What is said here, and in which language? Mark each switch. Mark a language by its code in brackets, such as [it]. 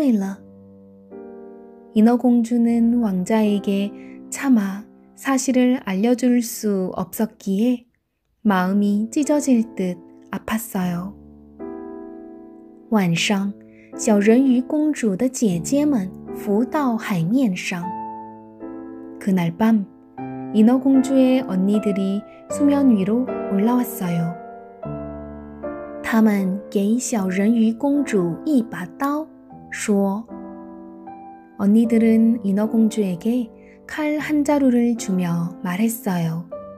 [zh] 小人鱼公主不能告诉王子真相，她觉得自己的心都要碎了。 [ko] 인어공주는 왕자에게 차마 사실을 알려줄 수 없었기에 마음이 찢어질 듯 아팠어요. [zh] 晚上，小人鱼公主的姐姐们浮到海面上。 [ko] 그날 밤, 인어공주의 언니들이 수면 위로 올라왔어요. [zh] 他们给小人鱼公主一把刀，说， [ko] 언니들은 인어공주에게 칼 한 자루를 주며 말했어요.